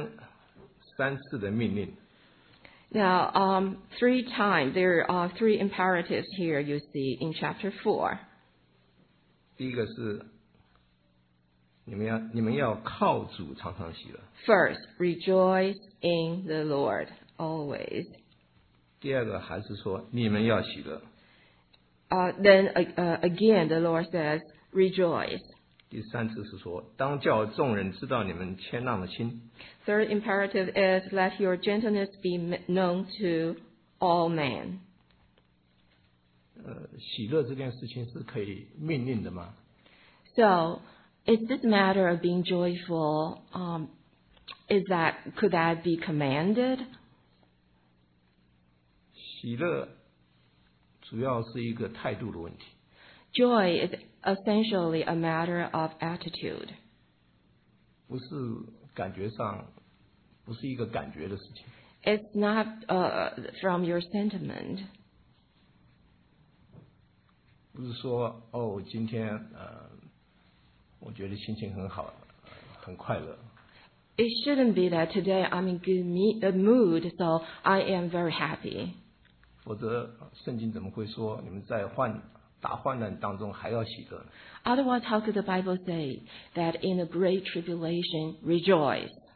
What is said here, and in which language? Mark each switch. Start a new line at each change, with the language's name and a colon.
Chinese: 这里第四章已经讲到三次的命令。
English: Now, three times, there are three imperatives here you see in chapter 4.
Chinese: 第一个是,你们要靠主常常喜乐。
English: First, rejoice in the Lord, always.
Chinese: 第二个还是说,你们要喜乐。
English: Then again, the Lord says, rejoice.
Chinese: 第三次是说,当叫众人知道你们谦让的心。
English: Third imperative is, let your gentleness be known to all men.
Chinese: 喜乐这件事情是可以命令的吗?
English: So, is this matter of being joyful, could that be commanded?
Chinese: 喜乐主要是一个态度的问题。
English: Joy is essentially a matter of attitude.
Chinese: 不是感觉上，不是一个感觉的事情。
English: It's not from your sentiment.
Chinese: 不是说哦，今天我觉得心情很好，很快乐。
English: It shouldn't be that today I'm in good mood, so I am very happy.
Chinese: 否则圣经怎么会说你们在患？大患难当中还要喜乐呢?
English: Otherwise, how could the Bible say that in a great tribulation, rejoice?